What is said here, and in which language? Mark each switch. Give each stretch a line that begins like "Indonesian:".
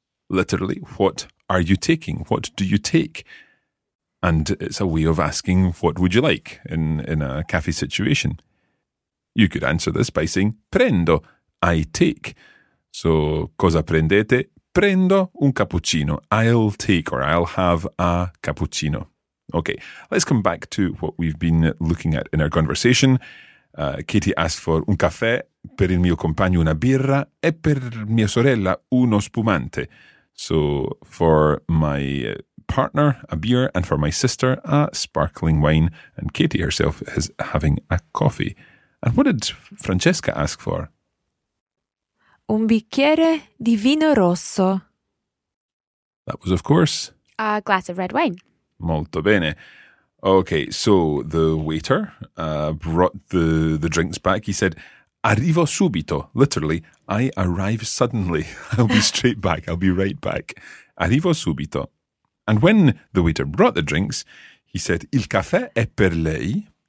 English: Literally, what are you taking? What do you take? And it's a way of asking, what would you like in a cafe situation? You could answer this by saying, prendo, I take.
Italian: So, cosa prendete? Prendo un cappuccino.
English: I'll take or I'll have a cappuccino. Okay, let's come back to what we've been looking at in our conversation. Katie asked for
Italian: un caffè, per il mio compagno una birra e per mia sorella uno spumante.
English: So, for my partner, a beer, and for my sister, a sparkling wine. And Katie herself is having a coffee. And what did Francesca ask for?
Italian: Un bicchiere di vino rosso.
English: That was, of course, a glass of red wine.
Italian: Molto bene.
English: Okay, so the waiter brought the drinks back. He said,
Italian: arrivo subito,
English: literally, I arrive suddenly. I'll be straight back. I'll be right back.
Italian: Arrivo subito.
English: And when the waiter brought the drinks, he said,
Italian: il caffè è per lei.